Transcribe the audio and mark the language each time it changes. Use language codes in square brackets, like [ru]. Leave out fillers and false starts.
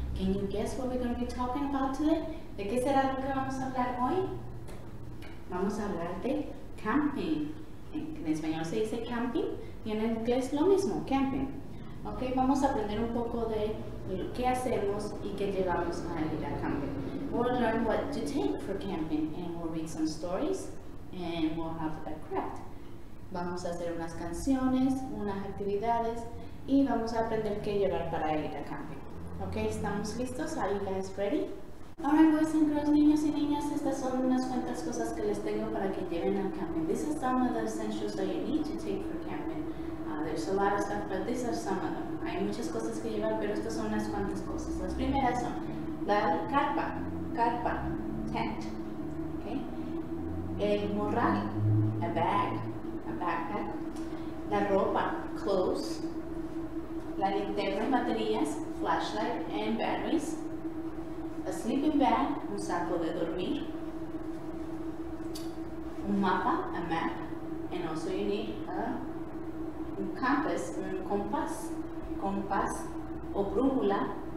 [en] Can you guess what we're going to be talking about today? [es] ¿De qué será lo que vamos a hablar hoy? Vamos a hablar de camping. En español se dice camping y en inglés lo mismo, camping. Ok, vamos a aprender un poco de qué hacemos y qué llevamos para ir a camping. [en] We'll learn what to take for camping, and we'll read some stories, and we'll have a craft. [es] Vamos a hacer unas canciones, unas actividades, y vamos a aprender qué llevar para ir a camping. Ok, ¿estamos listos? [en] Are you guys ready? Alright, boys and girls, [es] niños y niñas, estas son unas cuantas cosas que les tengo para que lleven al camping. [en] These are some of the essentials that you need to take for camping. There's a lot of stuff, but these are some of them. [es] Hay muchas cosas que llevar, pero estas son unas cuantas cosas. Las primeras son la carpa, tent, okay. El morral, [en] a backpack, [es] la ropa, clothes, la linterna, baterías, [en] flashlight and batteries, a sleeping bag, [es] un saco de dormir, un mapa, a map, [en] and also you need [es] un compass, un compás, o brújula.